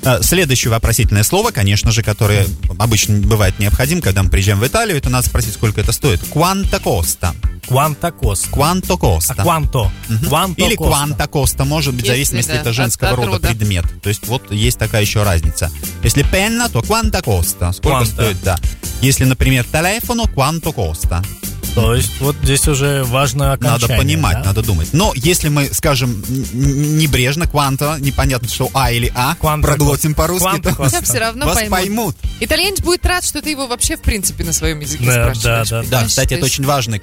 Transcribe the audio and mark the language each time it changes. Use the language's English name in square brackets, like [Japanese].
[Russian] Следующее вопросительное слово, конечно же, которое обычно бывает необходим, когда мы приезжаем в Италию, это надо спросить, сколько это стоит. [Italian] Quanto costa? Quanto costa? Quanto costa? Quanto? [Russian] Или [Italian] quanto costa, [Russian] может быть, в зависимости, это женского рода предмет. То есть вот есть такая еще разница. Если penna, то [Italian] quanto costa? [Russian] Сколько стоит, да. Если, например, [Italian] telefono, quanto costa? [Russian] То есть вот здесь уже важно окончание. Надо понимать, да? Надо думать. Но если мы скажем небрежно, quanto, непонятно, что а или а, quanto проглотим costa. По-русски, quanto то costa. Все равно вас поймут. Итальянец будет рад, что ты его вообще в принципе на своем языке спрашиваешь. Да, кстати, это очень важно.